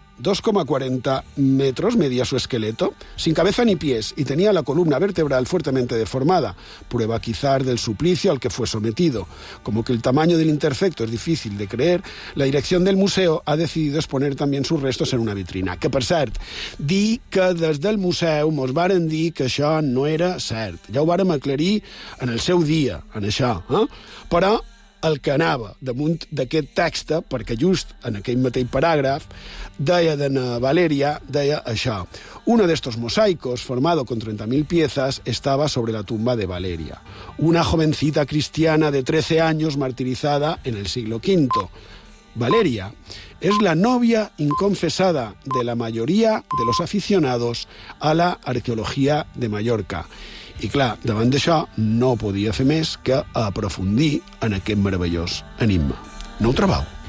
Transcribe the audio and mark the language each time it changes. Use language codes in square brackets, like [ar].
[es] 2,40 metros medía su esqueleto, sin cabeza ni pies, y tenía la columna vertebral fuertemente deformada, prueba quizá del suplicio al que fue sometido. Como que el tamaño del interfecto es difícil de creer, la dirección del museo ha decidido exponer también sus restos en una vitrina. [ca] Que, per cert, di que des del museu mos varen dir que això no era cert. Ja ho varen aclarir en el seu dia, en això, Però el que anava damunt d'aquest text, perquè just en aquell mateix paràgraf, deia d'en Valèria, deia això: [es] uno de estos mosaicos, formado con 30.000 piezas, estaba sobre la tumba de Valèria, una jovencita cristiana de 13 años martirizada en el siglo V. Valèria es la novia inconfesada de la mayoría de los aficionados a la arqueología de Mallorca. [ca] I clar, davant d'això no podia fer més que aprofundir en aquest meravellós enigma. No ho trobeu?